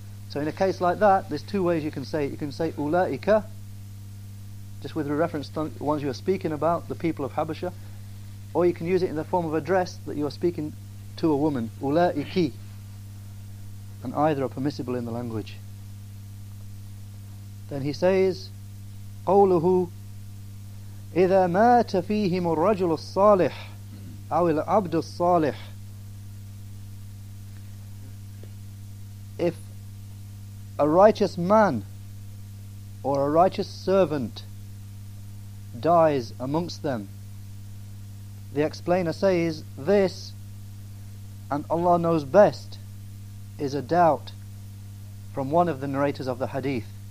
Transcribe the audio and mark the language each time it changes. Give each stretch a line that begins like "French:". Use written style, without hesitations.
English: So in a case like that, there's two ways you can say it. You can say ulaika, just with reference to the ones you are speaking about, the people of Habasha, or you can use it in the form of address that you are speaking to a woman, ulaiki. And either are permissible in the language. Then he says,
Arabic: قَوْلُهُ إِذَا مَاتَ فِيهِمُ الرَّجُلُ الصَّالِحُ أَوِ الْعَبْدُ الصَّالِحُ.
English: If a righteous man or a righteous servant dies amongst them, the explainer says, this, and Allah knows best, is a doubt from one of the narrators of the hadith.